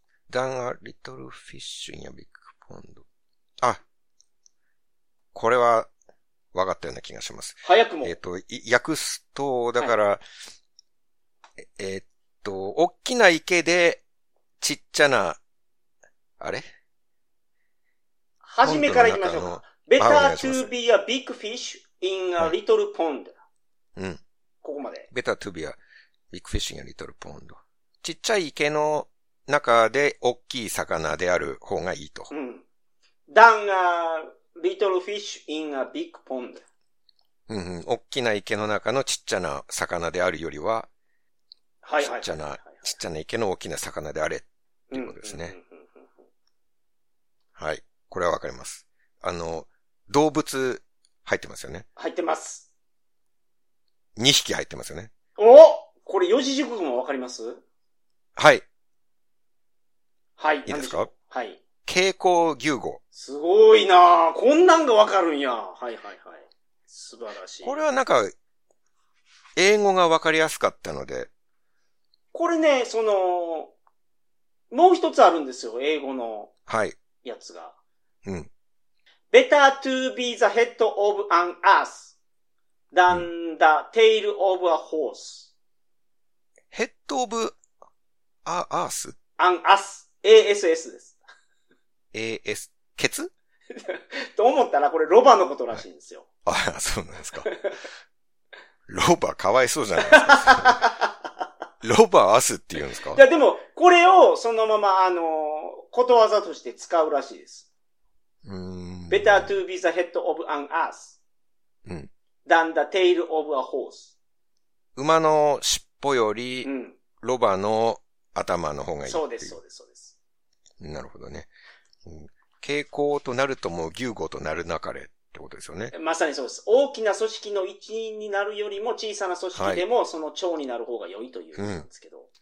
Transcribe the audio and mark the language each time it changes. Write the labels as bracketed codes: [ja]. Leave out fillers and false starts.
[en] than a little fish in a big pond. [ja] あ、これは、わかったような気がします。早くも。訳すと、だから、はい、大きな池で、ちっちゃな、あれ？はじめから行きましょうか。 [en] Better to be a big fish in a little pond. [ja] うん。ここまで。 [en] Better to be a big fish in a little pond. [ja] ちっちゃい池の中で大きい魚である方がいいと。うん。 [en] than a little fish in a big pond. [ja] うんうん。大きな池の中のちっちゃな魚であるよりは、はいはい。ちっちゃな、ちっちゃな池の大きな魚であれ、ということですね。はい。これはわかります。動物、入ってますよね。入ってます。 2匹入ってますよね。お！これ四字熟語もわかります？はい。はい。いいですか？はい。蛍光牛語。すごいなぁ。こんなんがわかるんや。はいはいはい。素晴らしい。これはなんか、英語がわかりやすかったので、これね、その、もう一つあるんですよ、英語の。はい。やつが。うん。 [en] Better to be the head of an ass than the tail of a horse. Head of a ass? An ass. A-S-S [ja] です。 A-S、ケツ？と思ったら、これロバのことらしいんですよ。はい、あ、そうなんですか。ロバかわいそうじゃないですか。ロバアスって言うんですか？いや、でも、これを、そのまま、ことわざとして使うらしいです。 [en] Better to be the head of an ass. [ja] うん。 [en] than the tail of a horse. [ja] 馬の尻尾より、ロバの頭の方がいい。そうです、そうです、そうです。なるほどね。傾向となるとも、牛語となるなかれ。ってことですよね。まさにそうです。大きな組織の一員になるよりも小さな組織でもその長になる方が良いというんですけど、